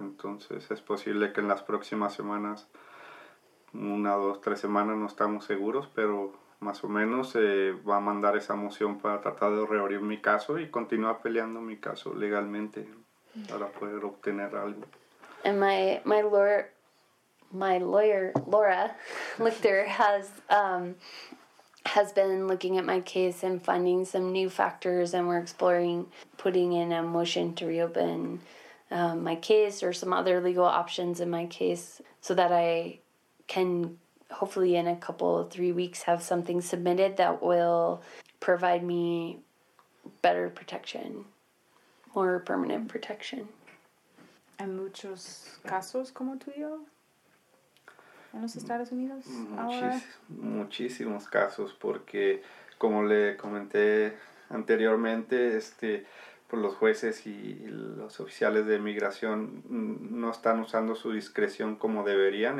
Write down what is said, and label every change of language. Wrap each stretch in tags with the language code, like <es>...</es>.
<es>Entonces es posible que en las próximas semanas, una, dos, tres semanas, no estamos seguros, pero más o menos va a mandar esa moción para tratar de reabrir mi caso y continuar peleando mi caso legalmente para poder obtener algo.</es> <en>And my lawyer, Laura Lichter, has been looking at my case and finding some new factors, and we're exploring putting in a motion to reopen my case or some other legal options in my case so that I can hopefully in a couple, 3 weeks have something submitted that will provide me better protection, more permanent protection.</en> <es>¿Hay muchos casos como tuyo en los Estados Unidos ahora? Muchísimos casos, porque como le comenté anteriormente, pues los jueces y los oficiales de inmigración no están usando su discreción como deberían.</es>